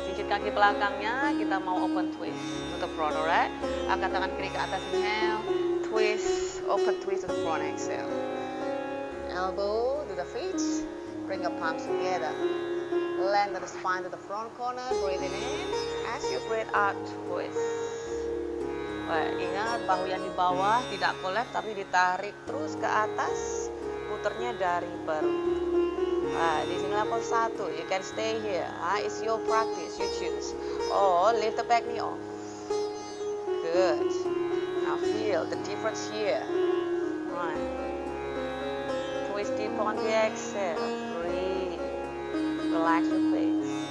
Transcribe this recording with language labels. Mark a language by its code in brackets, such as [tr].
[id] Jinjit kaki belakangnya, kita mau [en] open twist to the front, [id] alright? Angkat tangan kiri ke atas, [en] inhale. Twist, open twist to the front, exhale. Elbow to the feet, bring your palms together, lengthen the spine to the front corner, breathing in, as you breathe out, twist. [id] Well, ingat, bahu yang di bawah tidak collapse, tapi ditarik terus ke atas, puternya dari perut. Di sini [en] level 1, you can stay here, it's your practice, you choose, or lift the back knee off. Good. I feel the difference here. One. Twist deep on the exhale. Breathe. Relax your face.